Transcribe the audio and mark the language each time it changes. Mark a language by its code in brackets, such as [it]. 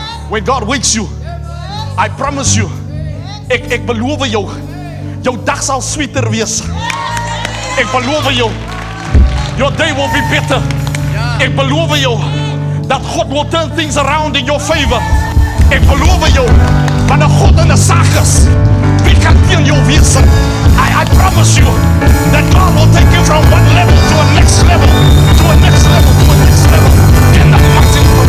[en] When God wakes you, I promise you, [af] ek beloof jou, jou dag sal sweeter wees. Ek beloof jou, [en] your day will be better. [af] Ek beloof jou, [en] that God will turn things around in your favor. [af] Ek beloof jou, van 'n God in 'n saak is, wie kan teen jou wees? [en] I promise you, that God will take you from one level to a next level, to a next level, to a next level.